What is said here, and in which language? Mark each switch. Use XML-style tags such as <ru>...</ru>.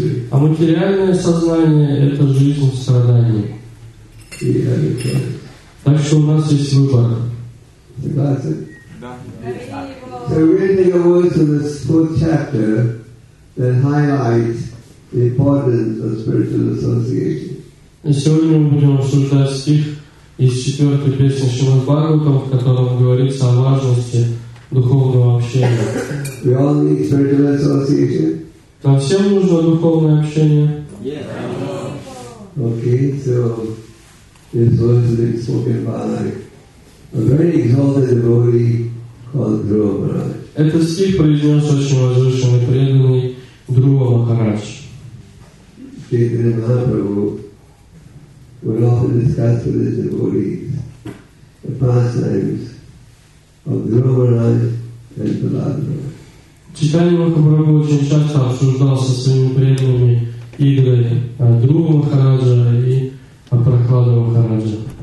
<ru>А материальное сознание — это жизнь в страдании. Так что у нас есть выбор.</ru> <en>So reading the words of this fourth chapter that highlights the importance of spiritual association.</en> <ru>И сегодня мы будем обсуждать стих из четвертой песни Шримад-Бхагаватам, в котором говорится о важности духовного общения.</ru> <en>We all need spiritual association.</en> <ru>Нам всем нужно духовное общение.</ru> <en>Yes. Okay, so this verse is being spoken by a very exalted devotee called Dhruva Maharaj.</en> <ru>Это стих произнес очень возвышенный преданный Дхрува Махарадж.</ru> <en>Чайтанья Махапрабху would often discuss with his devotees the pastimes of Dhruva Maharaj and Prahlad Maharaj.</en> <ru>Чайтанья Махапрабху очень часто обсуждал со своими преданными игры Дхрува Махараджа и Прахлада Махараджа.</ru>